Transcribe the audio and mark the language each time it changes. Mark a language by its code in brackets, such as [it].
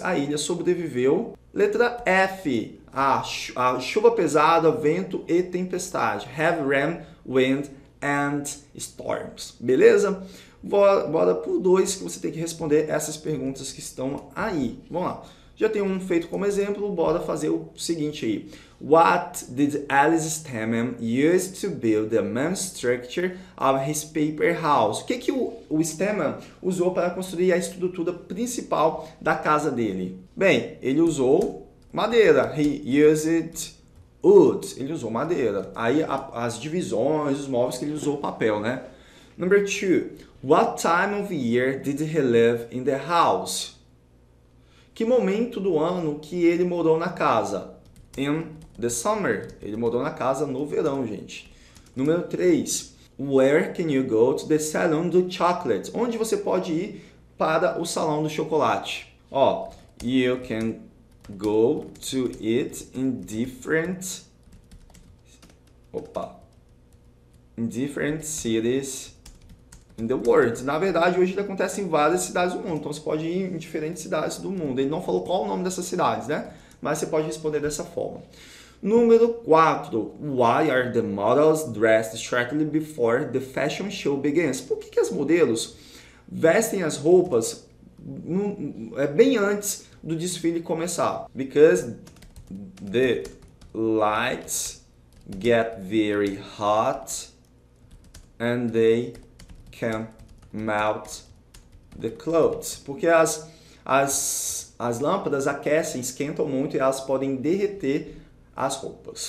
[pt] A ilha sobreviveu. Letra F, a chuva pesada, vento e tempestade. [en] Heavy rain, wind and storms. Beleza? [pt] Bora pro 2, que você tem que responder essas perguntas que estão aí. Vamos lá. Já tem um feito como exemplo, bora fazer o seguinte aí. [en] What did Alice Stamen use to build the main structure of his paper house? [pt] O que o Stamen usou para construir a estrutura principal da casa dele? Bem, ele usou madeira. [en] He used wood. [pt] Ele usou madeira. Aí as divisões, os móveis que ele usou, papel, né? [en] Number 2. What time of year did he live in the house? [pt] Que momento do ano que ele morou na casa? [en] In the summer. [pt] Ele morou na casa no verão, gente. Número 3. [en] Where can you go to the salon do chocolate? [pt] Onde você pode ir para o salão do chocolate? [en] Ó, you can go to it in different cities in the world. [pt] Na verdade, hoje ele acontece em várias cidades do mundo. Então, você pode ir em diferentes cidades do mundo. Ele não falou qual o nome dessas cidades, né? Mas você pode responder dessa forma. Número 4. [en] Why are the models dressed shortly before the fashion show begins? [pt] Por que as modelos vestem as roupas é bem antes do desfile começar. [en] Because the lights get very hot and they can melt the clothes. [pt] Porque as lâmpadas aquecem, esquentam muito e elas podem derreter as roupas.